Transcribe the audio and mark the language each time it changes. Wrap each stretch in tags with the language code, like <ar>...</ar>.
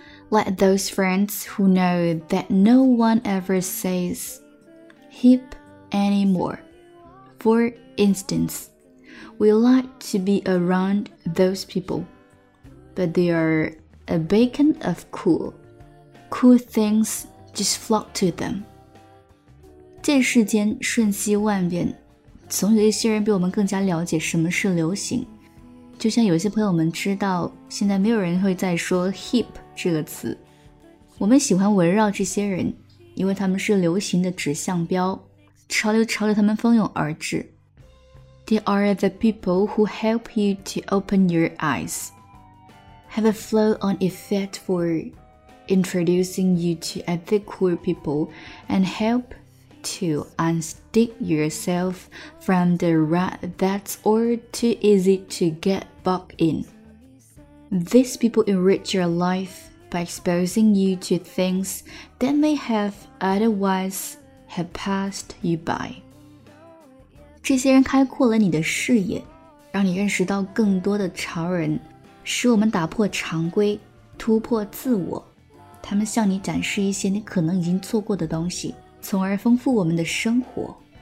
<en>Like those friends who know that no one ever says hip anymore. For instance, we like to be around those peopleBut they are a beacon of cool. Cool things just flock to them.</en> <zh>这世间瞬息万变，总有一些人比我们更加了解什么是流行。就像有些朋友们知道，现在没有人会再说 hip 这个词。我们喜欢围绕这些人，因为他们是流行的指向标，潮流朝着他们蜂拥而至。</zh> <en>They are the people who help you to open your eyes. Have a flow on effect for introducing you to other cool people and help to unstick yourself from the rut that's all too easy to get bogged in. These people enrich your life by exposing you to things that may have otherwise have passed you by.</en> <zh>这些人开阔了你的视野，让你认识到更多的潮人，使我们打破常规，突破自我。他们向你展示一些你可能已经错过的东西，从而丰富我们的生活。</zh>